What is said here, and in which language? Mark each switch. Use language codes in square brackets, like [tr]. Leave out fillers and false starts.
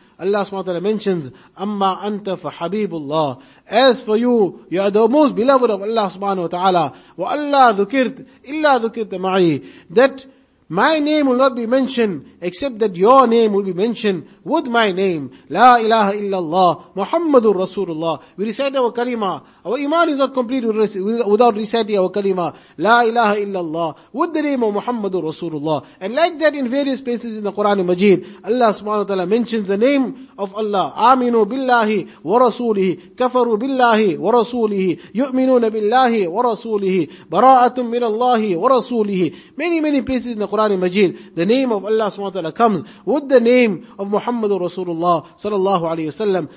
[en] Allah subhanahu wa ta'ala mentions, [ar] أَمَّا أَنْتَ فَحَبِيبُ اللَّهِ [en] As for you, you are the most beloved of Allah subhanahu wa ta'ala. [ar] وَأَلَّا ذُكِرْتَ إِلَّا ذُكِرْتَ مَعِي [en] That my name will not be mentioned, except that your name will be mentioned with my name. [ar] لا إله إلا الله محمد رسول الله. [en] We recite our kalima. Our iman is not complete without reciting our kalima. [ar] لا إله إلا الله [en] with the name of [ar] محمد رسول الله. [en] And like that in various places in the Quran and Majid, Allah subhanahu wa ta'ala mentions the name of Allah. [ar] آمنوا بالله ورسوله كفروا بالله ورسوله يؤمنون بالله ورسوله براءة من الله ورسوله. [en] Many, many places in the Quran and Majid, the name of Allah subhanahu wa ta'ala comes with the name of Muhammad Rasulullah sallallahu alayhi wa sallam.